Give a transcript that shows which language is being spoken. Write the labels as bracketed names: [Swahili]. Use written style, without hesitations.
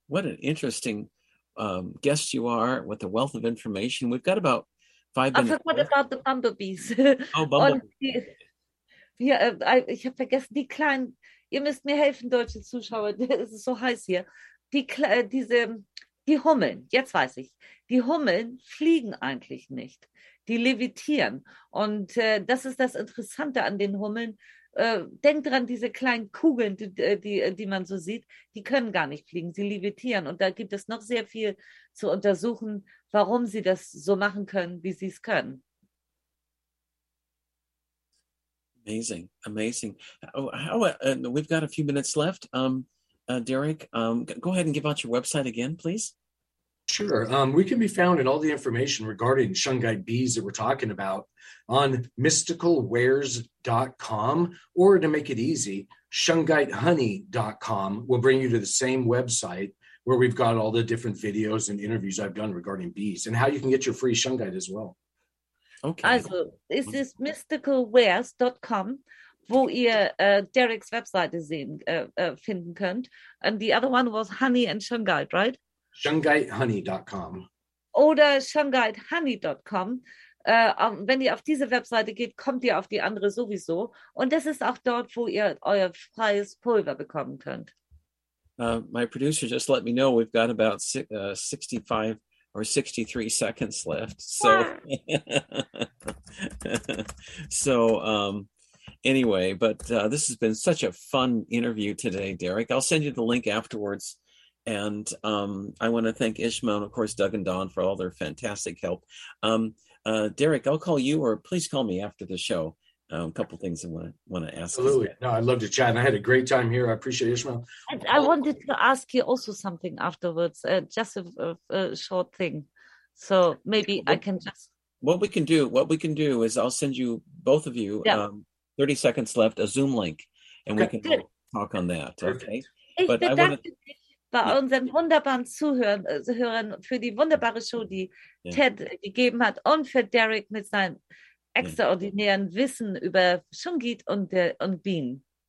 [English] What an interesting guest you are with a wealth of information. We've got about 5 minutes. I forgot about the bumblebees. Oh, bumblebees. [German] Ja, ich habe vergessen, die kleinen, ihr müsst mir helfen, deutsche Zuschauer, es ist so heiß hier. Die Hummeln, jetzt weiß ich, die Hummeln fliegen eigentlich nicht, die levitieren. Und das ist das Interessante an den Hummeln. Denkt dran, diese kleinen Kugeln, die man so sieht, die können gar nicht fliegen, sie levitieren. Und da gibt es noch sehr viel zu untersuchen, warum sie das so machen können, wie sie es können. [English] Amazing, amazing. We've got a few minutes left. Derek, go ahead and give out your website again, please. Sure. We can be found in all the information regarding Shungite bees that we're talking about on mysticalwares.com, or to make it easy, shungitehoney.com will bring you to the same website where we've got all the different videos and interviews I've done regarding bees and how you can get your free Shungite as well. Okay. [German] Also, es ist mysticalwares.com, wo ihr Derek's Webseite sehen finden könnt. [English] And the other one was Honey and Shungite, right? Shungitehoney.com. [German] Oder shungitehoney.com. Wenn ihr auf diese Webseite geht, kommt ihr auf die andere sowieso. Und das ist auch dort, wo ihr euer freies Pulver bekommen könnt. [English] My producer just let me know we've got about 65 or 63 seconds left. So, anyway, but this has been such a fun interview today, Derek. I'll send you the link afterwards. And I want to thank Ishma and, of course, Doug and Don for all their fantastic help. Derek, I'll call you, or please call me after the show. A couple things I want to ask. Absolutely. No, I'd love to chat. And I had a great time here. I appreciate it, Ishmael. And I wanted to ask you also something afterwards, just a short thing. So maybe I can just... What we can do is I'll send you, both of you, 30 seconds left, a Zoom link. And okay, we can talk on that. Perfect. Okay. [German] Ich bedanke dich bei unseren wunderbaren Zuhörern für die wunderbare Show, die Ted gegeben hat, und für Derek mit seinem extraordinären Wissen über Shungite und Bienen.